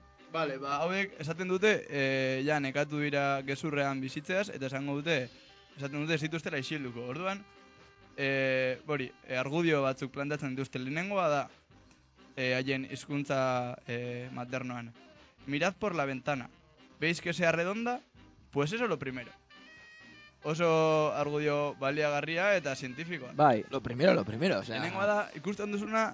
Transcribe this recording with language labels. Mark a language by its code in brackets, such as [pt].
[eu] Vale, ba, hauek esaten dute, ja nekatu dira gezurrean bizitzeaz, eta esango dute, esaten dute ez dituztela isilduko. Orduan, bori, argudio batzuk plantatzen dituzte lehenengoa da, haien hizkuntza maternoan. [es] Mirad por la ventana, veis que sea redonda, pues eso lo primero. [eu] Oso argudio baliagarria eta zientifikoa. [es] Bai, lo primero, o sea... [eu] Lehenengoa da, ikusten duzuna...